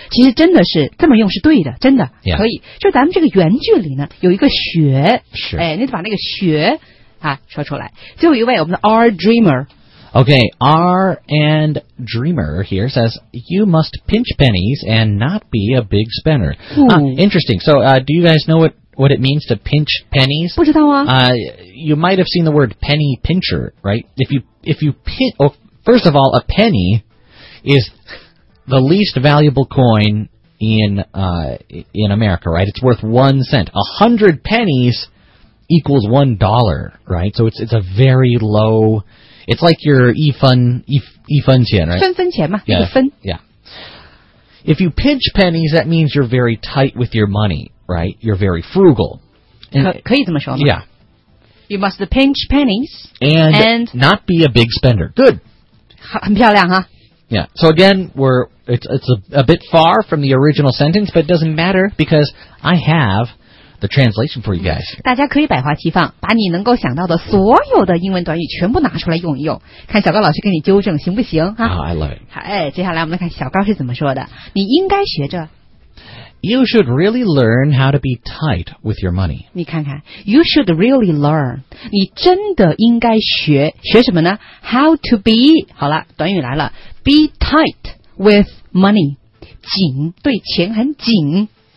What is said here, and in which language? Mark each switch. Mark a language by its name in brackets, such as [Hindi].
[Chinese] 其实真的是这么用是对的，真的、 [English] yeah. [Chinese] 可以。就咱们这个原句里呢，有一个学，是，哎，你得把那个学啊说出来。最后一位，我们的 R Dreamer。 [English] Okay, R and Dreamer here says, you must pinch pennies and not be a big spender. Interesting. So, do you guys know what it means to pinch pennies? [Chinese] 不知道啊。 [English] You might have seen the word penny pincher, right? If you pinch, well, first of all, a penny is the least valuable coin in America, right? It's worth 1 cent. 100 pennies equals $1, right? So it's a very low... It's like your [Chinese] 一分钱, [English] right? [Chinese] 分分钱嘛, 一分。 [English] Yeah. If you pinch pennies, that means you're very tight with your money, right? You're very frugal. [Chinese] 可以这么说吗? [English] Yeah. You must pinch pennies and not be a big spender. Good. [Chinese] 很漂亮啊。 [English] Yeah. So again, it's a bit far from the original sentence, but it doesn't matter because I have... The translation for you guys. [Chinese] 大家可以百花齐放，把你能够想到的所有的英文短语全部拿出来用一用，看小高老师给你纠正行不行哈。 [English] I love it. [Chinese] 好，哎，接下来我们来看小高是怎么说的。你应该学着。 [English] You should really learn how to be tight with your money. [Chinese] 你看看 ， [English] You should really learn. [Chinese] 你真的应该学学什么呢 ？ [English] How to be [Chinese] 好了，短语来了 ， [English] be tight with money， [Chinese] 紧对钱很紧。